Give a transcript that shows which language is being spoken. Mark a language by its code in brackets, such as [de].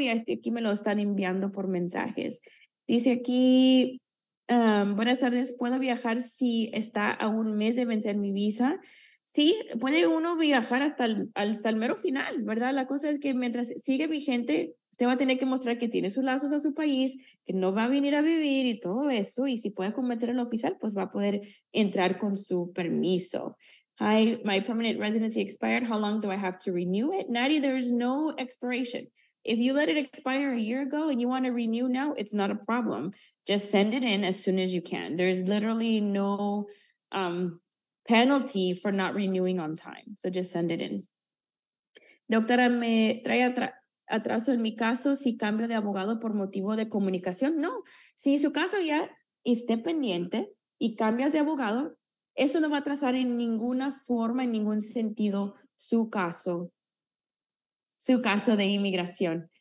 [es] Y aquí me lo están enviando por mensajes. Dice aquí, buenas tardes, ¿puedo viajar si está a un mes de vencer mi visa? Sí, puede uno viajar hasta el mero final, ¿verdad? La cosa es que mientras sigue vigente, usted va a tener que mostrar que tiene sus lazos a su país, que no va a venir a vivir y todo eso. Y si puede convencer al oficial, pues va a poder entrar con su permiso. [en] Hi, my permanent residency expired. How long do I have to renew it? [es] Nadie, [en] there is no expiration. If you let it expire a year ago and you want to renew now, it's not a problem. Just send it in as soon as you can. There's literally no penalty for not renewing on time. So just send it in. [es] Doctora, ¿me trae atraso en mi caso si cambio de abogado por motivo de comunicación? No. Si su caso ya esté pendiente y cambias de abogado, eso no va a atrasar en ninguna forma, en ningún sentido, su caso de inmigración.